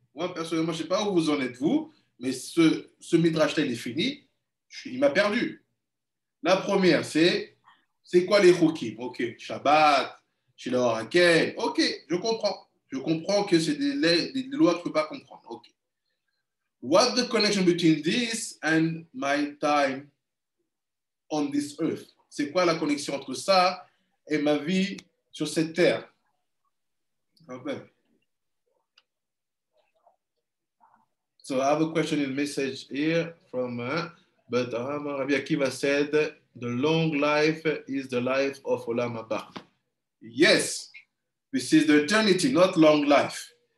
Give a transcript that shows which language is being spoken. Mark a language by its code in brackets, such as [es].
[fr] Moi, personnellement, je ne sais pas où vous en êtes, vous. Mais ce midrash-là, il est fini. Il m'a perdu. La première, c'est quoi les chokim? Ok, Shabbat, Shiloh Haken. Ok, je comprends. Je comprends que c'est des lois que je ne peux pas comprendre. Ok. [en] What the connection between this and my time on this earth? [fr] C'est quoi la connexion entre ça et ma vie sur cette terre? [en] Okay. So I have a question in message here from but Rabbi Akiva said the long life is the life of Olam Haba. Yes, this is the eternity, not long life.